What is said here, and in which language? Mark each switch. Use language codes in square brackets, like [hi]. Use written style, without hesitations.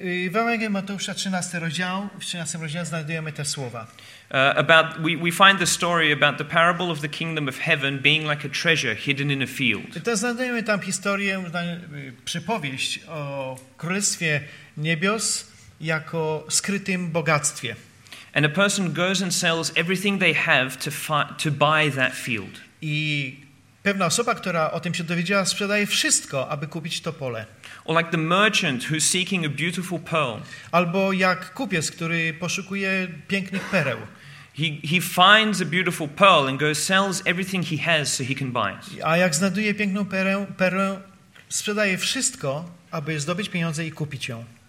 [pl] W Ewangelii Mateusza 13 rozdział znajdujemy te słowa. [en] We find the story about the parable of the kingdom of heaven being like a treasure hidden in a field. [pl] To znajdujemy tam historię, przypowieść o królestwie niebios jako skrytym bogactwie. [en] And a person goes and sells everything they have to buy that field. [pl] I pewna osoba, która o tym się dowiedziała, sprzedaje wszystko, aby kupić to pole. [en] Or like the merchant who's seeking a beautiful pearl. [pl] Albo jak kupiec, który poszukuje pięknych pereł. [en] He finds a beautiful pearl and goes sells everything he has so he can buy it. [pl] A jak znajduje piękną perłę, sprzedaje wszystko, aby zdobyć pieniądze i kupić ją.